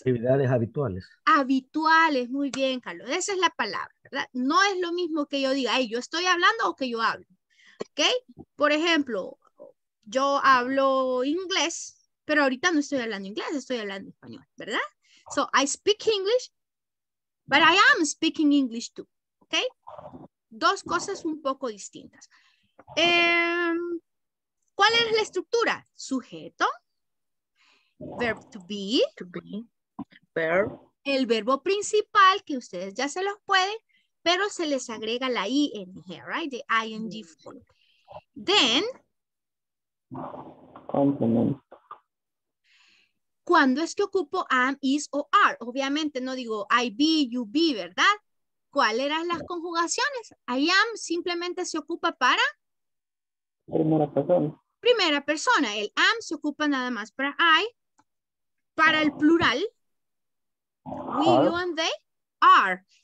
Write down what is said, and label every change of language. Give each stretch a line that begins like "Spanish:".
Spanish: actividades habituales. Habituales, muy bien, Carlos. Esa es la palabra, ¿verdad? No es lo mismo que yo diga, ay, yo estoy hablando o que yo hablo. ¿Ok? Por ejemplo, yo hablo inglés, pero ahorita no estoy hablando inglés, estoy hablando español, ¿verdad?
English: So, I speak English, but I am speaking English too.
Spanish: ¿Ok? Dos cosas un poco distintas. ¿Cuál es la estructura? Sujeto. Verb to be, verb. El verbo principal, que ustedes ya se los pueden, pero se les agrega la I
English: in here, right? The ing form. Then, complement.
Spanish: ¿Cuándo es que ocupo am, is o are? Obviamente no digo I be, you be, ¿verdad? ¿Cuáles eran las conjugaciones? I am simplemente se ocupa para primera persona. Primera persona. El am se ocupa nada más para I. Para el plural, we, you and they, are.